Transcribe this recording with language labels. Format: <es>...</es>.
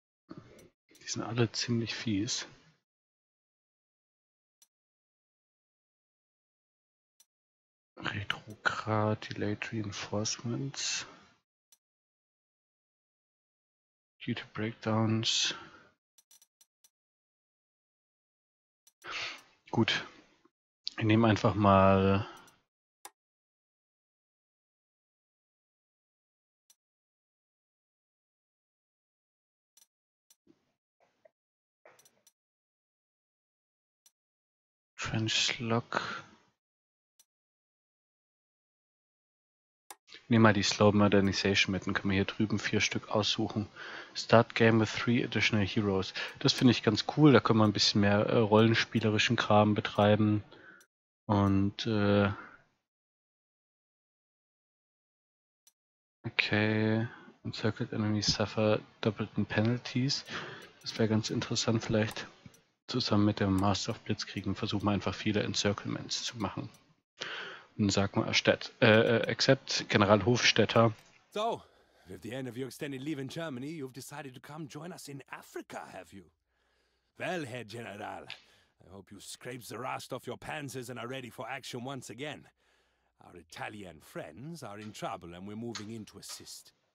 <de>Die sind alle ziemlich fies.</de> <en>Retrograd, Delayed Reinforcements. Due to Breakdowns.</en> <de>Gut. Ich nehme einfach mal Trenchlock. Nehmen wir die Slow Modernization mit, dann können wir hier drüben 4 Stück aussuchen.</de> <en>Start Game with 3 Additional Heroes.</en> <de>Das finde ich ganz cool, da können wir ein bisschen mehr rollenspielerischen Kram betreiben.</de> <en>Und okay, Encircled Enemies suffer</en> <de>doppelten</de> <en>Penalties.</en> <de>Das wäre ganz interessant, vielleicht zusammen mit dem Master of Blitzkriegen versuchen wir einfach viele Encirclements zu machen. Und sag mal,</de> <en>accept</en> <de>General Hofstetter.</de> <en>So, with the end of your extended leave in Germany, you've decided to come join us in Africa, have you? Well, Herr General, I hope you scrape the rust off your panzers and are ready for action once again. Our Italian friends are in trouble and we're moving in to assist.</en>